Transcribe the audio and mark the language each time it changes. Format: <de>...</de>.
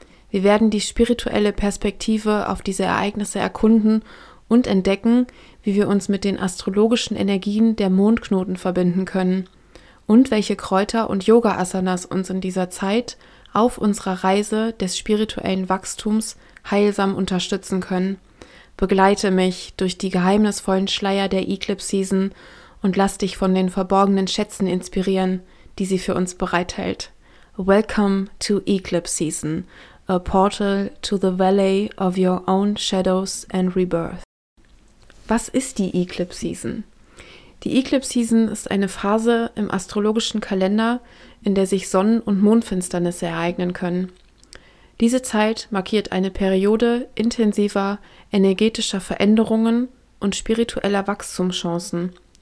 <de>Wir werden die spirituelle Perspektive auf diese Ereignisse erkunden und entdecken, wie wir uns mit den astrologischen Energien der Mondknoten verbinden können und welche Kräuter und Yoga-Asanas uns in dieser Zeit auf unserer Reise des spirituellen Wachstums heilsam unterstützen können. Begleite mich durch die geheimnisvollen Schleier der Eclipse Season und lass dich von den verborgenen Schätzen inspirieren, die sie für uns bereithält.</de> <en>Welcome to Eclipse Season, a portal to the valley of your own shadows and rebirth.</en> <de>Was ist die Eclipse Season? Die Eclipse Season ist eine Phase im astrologischen Kalender, in der sich Sonnen- und Mondfinsternisse ereignen können. Diese Zeit markiert eine Periode intensiver energetischer Veränderungen und spiritueller Wachstumschancen.</de>